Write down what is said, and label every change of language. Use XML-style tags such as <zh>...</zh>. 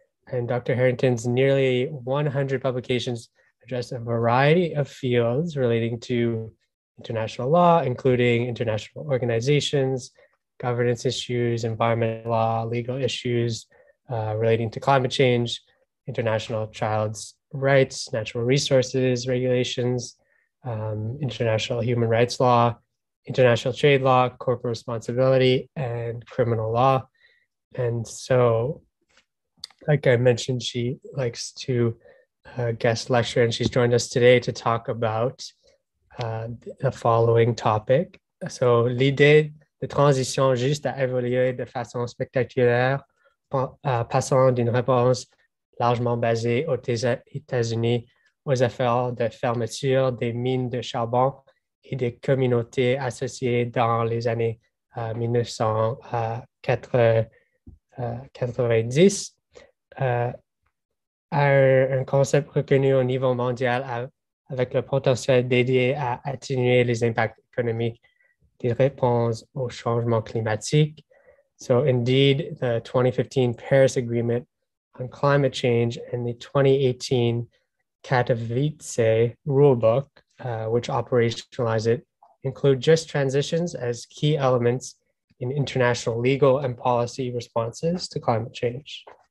<en>And Dr. Harrington's nearly 100 publications address a variety of fields relating to international law, including international organizations, governance issues, environmental law, legal issues relating to climate change, international child's rights, natural resources regulations, international human rights law, international trade law, corporate responsibility, and criminal law. And so, like I mentioned, she likes to guest lecture, and she's joined us today to talk about the following topic.</en> <fr>So l'idée de transition juste a évolué de façon spectaculaire passant d'une réponse largement basée aux États-Unis aux affaires de fermeture des mines de charbon et des communautés associées dans les années 1990, à un concept reconnu au niveau mondial avec le potentiel dédié à atténuer les impacts économiques des réponses au changement climatique.</fr> <en>So indeed, the 2015 Paris Agreement on Climate Change and the 2018 Katowice Rulebook, which operationalize it, include just transitions as key elements in international legal and policy responses to climate change.</en>